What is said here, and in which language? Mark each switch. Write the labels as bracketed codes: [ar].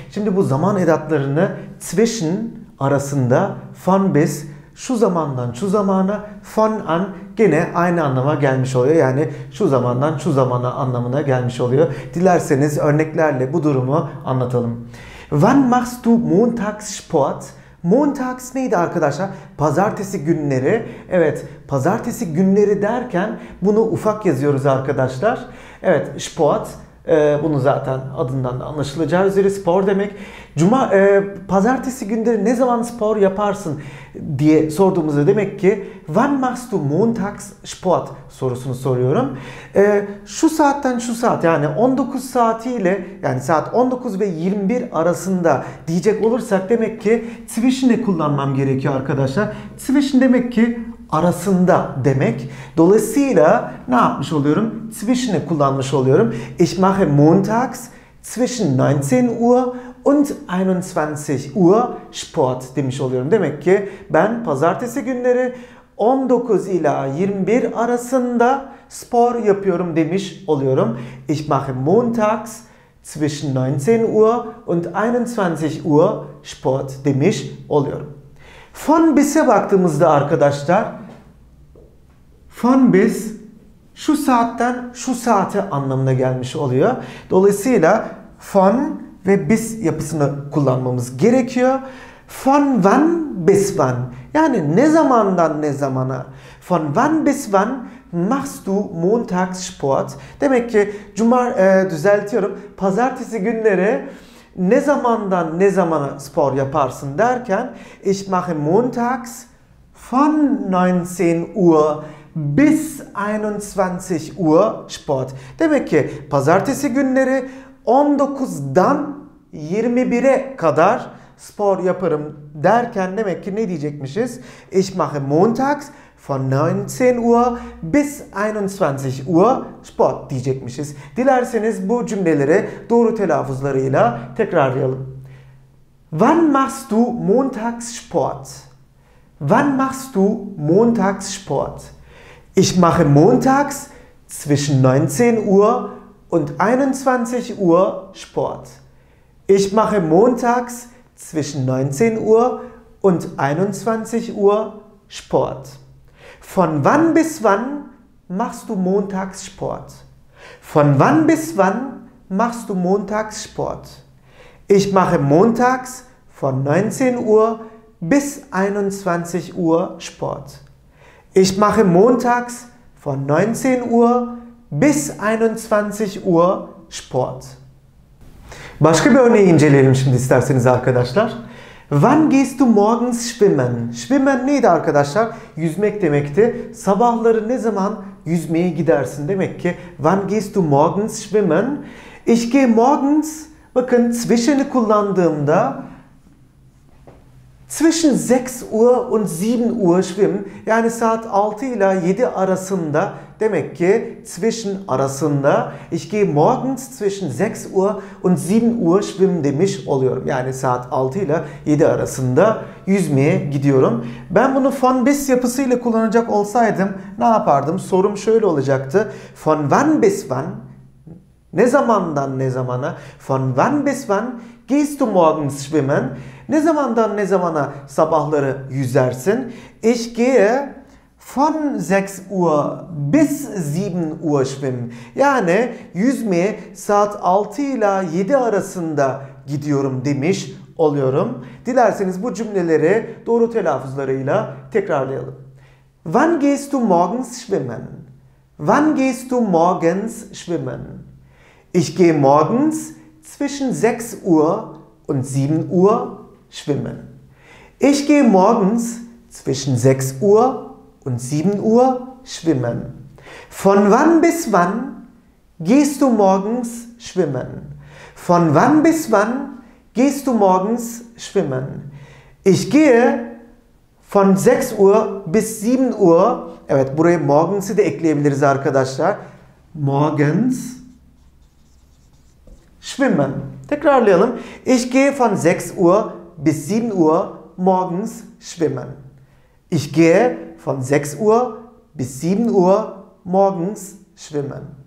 [tr] Şimdi bu zaman edatlarını zwischen arasında von bis, şu zamandan şu zamana, von an gene aynı anlama gelmiş oluyor. Yani şu zamandan şu zamana anlamına gelmiş oluyor. Dilerseniz örneklerle bu durumu anlatalım. [de] Wann machst du Montagssport? [tr] Montags neydi arkadaşlar? Pazartesi günleri. Evet, pazartesi günleri derken bunu ufak yazıyoruz arkadaşlar. Evet, sport. Bunu zaten adından da anlaşılacağı üzere spor demek. Cuma, pazartesi günleri ne zaman spor yaparsın diye sorduğumuzda demek ki [de] Wann machst du montags sport [tr] sorusunu soruyorum. Şu saatten şu saat, yani 19 saatiyle, yani saat 19 ve 21 arasında diyecek olursak demek ki zwischen'i kullanmam gerekiyor arkadaşlar. Zwischen demek ki arasında demek. Dolayısıyla ne yapmış oluyorum? Zwischen'i kullanmış oluyorum. [de] Ich mache montags zwischen 19 Uhr und 21 Uhr Sport [tr] demiş oluyorum. Demek ki ben pazartesi günleri 19 ila 21 arasında spor yapıyorum demiş oluyorum. [de] Ich mache montags zwischen 19 Uhr und 21 Uhr Sport [tr] demiş oluyorum. Von bis'e baktığımızda arkadaşlar, von bis şu saatten şu saate anlamına gelmiş oluyor. Dolayısıyla von ve bis yapısını kullanmamız gerekiyor. [de] Von wann bis wann? [tr] Yani ne zamandan ne zamana? [de] Von wann bis wann machst du Montagssport? [tr] Demek ki düzeltiyorum. Pazartesi günleri ne zamandan ne zamana spor yaparsın derken [de] ich mache montags von 19 Uhr bis 21 Uhr Sport. [tr] Demek ki pazartesi günleri 19'dan 21'e kadar spor yaparım derken demek ki ne diyecekmişiz? [de] Ich mache montags von 19 Uhr bis 21 Uhr Sport [tr] diyecekmişiz. Dilerseniz bu cümleleri doğru telaffuzlarıyla tekrarlayalım. [de] Wann machst du Montagssport? Wann machst du Montagssport? Ich mache montags zwischen 19 Uhr und 21 Uhr Sport. Ich mache montags zwischen 19 Uhr und 21 Uhr Sport. Von wann bis wann machst du montags Sport? Von wann bis wann machst du montags Sport? Ich mache montags von 19 Uhr bis 21 Uhr Sport. Ich mache montags von 19 Uhr bis 21 Uhr Sport. [tr] Başka bir örneği inceleyelim şimdi isterseniz arkadaşlar. [de] Wann gehst du morgens schwimmen? [tr] Schwimmen neydi arkadaşlar? Yüzmek demekti. Sabahları ne zaman yüzmeye gidersin? Demek ki [de] wann gehst du morgens schwimmen? Ich gehe morgens, [tr] bakın zwischen'i kullandığımda [de] zwischen 6 Uhr und 7 Uhr schwimmen, [tr] yani saat 6 ile 7 arasında, demek ki zwischen arasında, [de] ich gehe morgens zwischen 6 Uhr und 7 Uhr schwimmen [tr] demiş oluyorum. Yani saat 6 ile 7 arasında yüzmeye gidiyorum. Ben bunu von bis yapısıyla kullanacak olsaydım ne yapardım? Sorum şöyle olacaktı. [de] Von wann bis wann, [tr] ne zamandan ne zamana, [de] von wann bis wann gehst du morgens schwimmen? [tr] Ne zamandan ne zamana sabahları yüzersin? [de] Ich gehe von 6 Uhr bis 7 Uhr schwimmen. [tr] Yani yüzmeye saat 6 ile 7 arasında gidiyorum demiş oluyorum. Dilerseniz bu cümleleri doğru telaffuzlarıyla tekrarlayalım. [de] Wann gehst du morgens schwimmen? Wann gehst du morgens schwimmen? Ich gehe morgens zwischen 6 Uhr und 7 Uhr schwimmen. Ich gehe morgens zwischen 6 Uhr und 7 Uhr schwimmen. Von wann bis wann gehst du morgens schwimmen? Von wann bis wann gehst du morgens schwimmen? Ich gehe von 6 Uhr bis 7 Uhr. [tr] Evet, buraya morgens'ı da ekleyebiliriz arkadaşlar. [de] Morgens schwimmen. [tr] Tekrarlayalım. [de] Ich gehe von 6 Uhr bis 7 Uhr morgens schwimmen. Ich gehe von 6 Uhr bis 7 Uhr morgens schwimmen.